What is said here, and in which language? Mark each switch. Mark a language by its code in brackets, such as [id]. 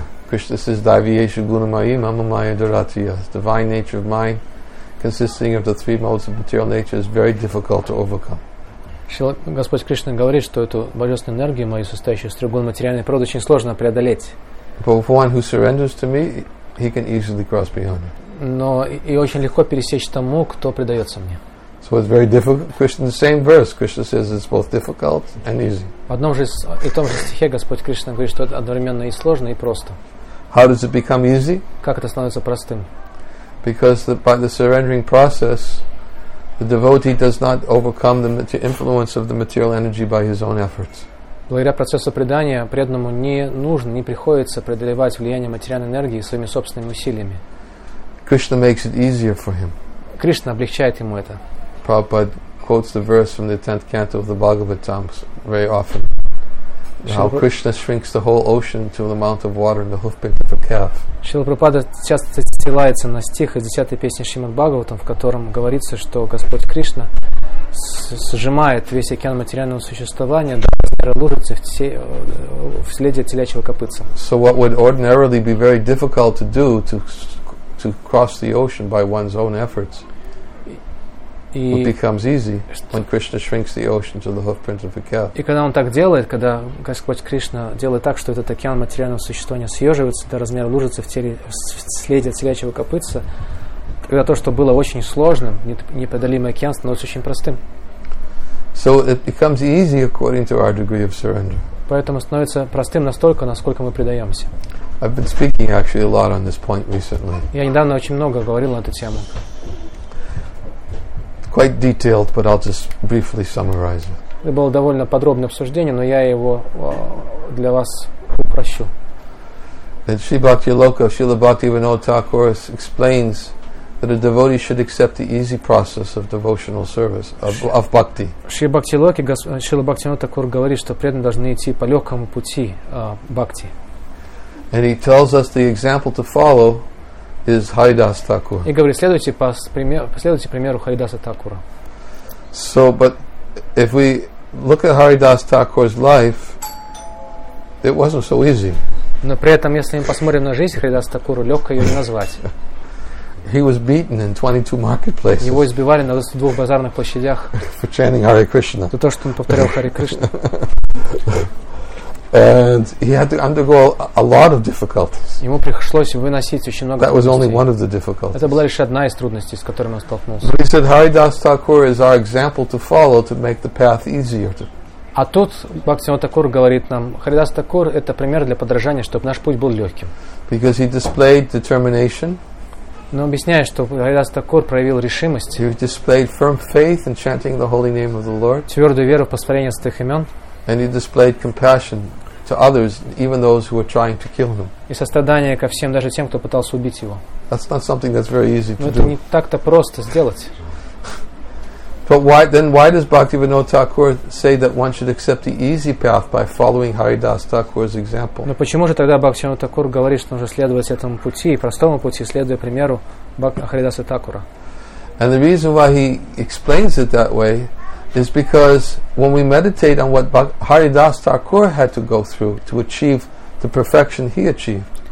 [en] Krishna says, [sa] "Divyesha gunamayi mama maya duratiya." [en] Divine nature of mind, consisting of the three modes of material nature, is very difficult to overcome. [ru] Господь Кришна говорит, что эту божественную энергию мою, состоящую из трех материальной природы, очень сложно преодолеть. [en] But for one who surrenders to me, he can easily cross beyond it. [ru] Но и очень легко пересечь тому, кто предается мне. [en] So it's very difficult. Krishna, the same verse, Krishna says it's both difficult and easy. [ru] В одном же и том же стихе Господь Кришна говорит, что это одновременно и сложно, и просто. [en] How does it become easy? [ru] Как это становится простым? [en] Because by the surrendering process, the devotee does not overcome the influence of the material energy by his own efforts. [ru] Благодаря процессу предания преданному не нужно, не приходится преодолевать влияние материальной энергии своими собственными усилиями. [en] Krishna makes it easier for him. [ru] Кришна облегчает ему это. [en] Prabhupada quotes the verse from the 10th canto of the Bhagavatam very often. How Krishna shrinks the whole ocean to the amount of water in the hoofprint of a calf. [ru] Шрила Прабхупада часто ссылается на стих из 10-й песни Шримад Бхагаватам, в котором говорится, что Господь Кришна сжимает весь океан материального существования до размера лужицы в следе телячьего копытца. [en] So what would ordinarily be very difficult to do, to cross the ocean by one's own efforts, it becomes easy when Krishna shrinks the ocean to the hoofprint of a calf. [ru] И когда он так делает, когда Господь Кришна делает так, что этот океан материального существования съеживается до размера лужицы в теле следе телячьего копытца, тогда то, что было очень сложным, непреодолимый океан, становится очень простым. [en] So it becomes easy according to our degree of surrender. [ru] Поэтому становится простым настолько, насколько мы предаемся. [en] I've been speaking actually a lot on this point recently. [ru] Я недавно очень много говорил на эту тему. [en] Quite detailed, but I'll just briefly summarize it. [ru] Это было довольно подробное обсуждение, но я его для вас упрощу. [en] that Sri Bhakti Loka, Srila Bhakti Vinod Thakur explains that a devotee should accept the easy process of devotional service, of bhakti. [ru] Sri Bhakti Loka, Srila Bhakti Vinod Thakur говорит, что преданные должны идти по легкому пути бхакти. [en] And he tells us the example to follow is Haridas Thakur. [ru] И говорит, следуйте примеру Харидаса Такура. [en] So, but if we look at Haridas Thakur's life, it wasn't so easy. [ru] Но при этом, если мы посмотрим на жизнь Харидаса Такура, легкой ее не назвать. [en] He was beaten in 22 marketplaces. [ru] Его избивали на 22 базарных площадях. [en] For chanting Hare Krishna. [ru] За то, что он повторял Харе Кришна. [en] And he had to undergo a lot of difficulties. [ru] Ему пришлось выносить очень много трудностей. [en] That was only one of the difficulties. [ru] Это была лишь одна из трудностей, с которыми он столкнулся. [en] But he said, Haridas Thakur is our example to follow to make the path easier. [ru] А тут Бхактивинода Такур говорит нам, Харидас Такур это пример для подражания, чтобы наш путь был легким. [en] Because he displayed determination. [ru] Но объясняет, что Харидас Такур проявил решимость. [en] He displayed firm faith in chanting the holy name of the Lord. [ru] Твердую веру в повторение святых имен. [en] And he displayed compassion to others, even those who were trying to kill him. [ru] И сострадание ко всем, даже тем, кто пытался убить его. [en] That's not something that's very easy to do. [ru] Но это не так-то просто сделать. [en] But why then? Why does Bhaktivinoda Thakur say that one should accept the easy path by following Haridas Thakur's example? [ru] Но почему же тогда Бхактивинода Такур говорит, что нужно следовать этому пути и простому пути, следуя примеру Харидаса Такура? [en] And the reason why he explains it that way is because when we meditate on what Haridas Thakur had to go through to achieve the perfection he achieved.